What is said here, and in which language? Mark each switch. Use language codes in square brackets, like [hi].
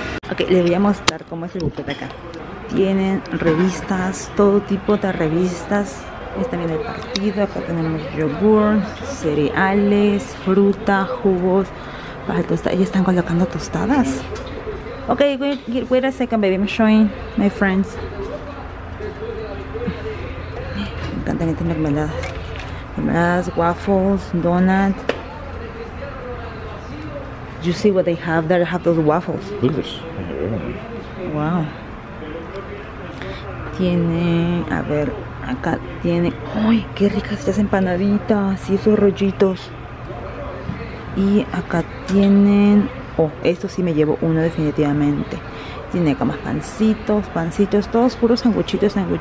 [es] Ok, les voy a mostrar cómo es el buquete acá. Tienen revistas, todo tipo de revistas. Está bien el partido, acá tenemos yogur, cereales, fruta, jugos para tostadas. Ya están colocando tostadas. [en] Ok, wait a second, baby, I'm showing my friends. [es] Me encantan estas mermeladas. Mermeladas, waffles, donut. [en] You see what they have there? They have those waffles. Wow. [es] Tiene, a ver, acá tiene, ¡ay, qué ricas estas empanaditas y esos rollitos! Y acá tienen, oh, esto sí me llevo uno definitivamente. Tiene acá más pancitos, todos puros sanguchitos.